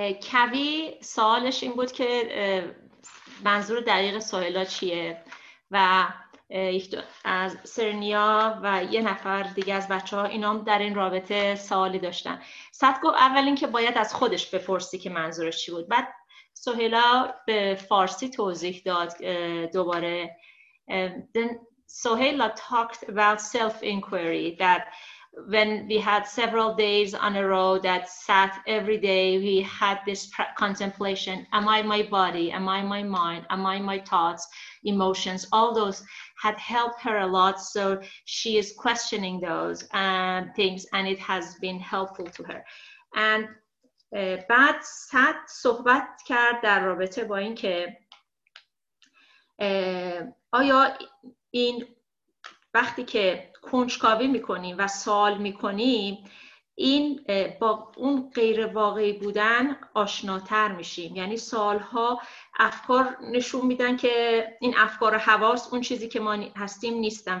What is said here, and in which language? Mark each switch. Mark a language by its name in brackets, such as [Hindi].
[Persian] کوی سوالش این بود که منظور دقیق سوهلا چیه و از سرنیا و یه نفر دیگه از بچه ها اینا هم در این رابطه سوالی داشتن. صد گفت اول اینکه باید از خودش بپرسی که منظورش چی بود. بعد سوهلا به فارسی توضیح داد دوباره. [English] Then Sohela talked about self-inquiry, that when we had several days on a row that sat every day, we had this contemplation, am I my body, am I my mind, am I my thoughts, emotions, all those had helped her a lot. So she is questioning those things and it has been helpful to her. [Persian] And بعد صحبت صحبت کرد در رابطه با این که آیا این وقتی که کنجکاوی میکنیم و سوال میکنیم این با اون غیر واقعی بودن آشناتر میشیم، یعنی سوالها افکار نشون میدن که این افکار و حواس اون چیزی که ما هستیم نیستن.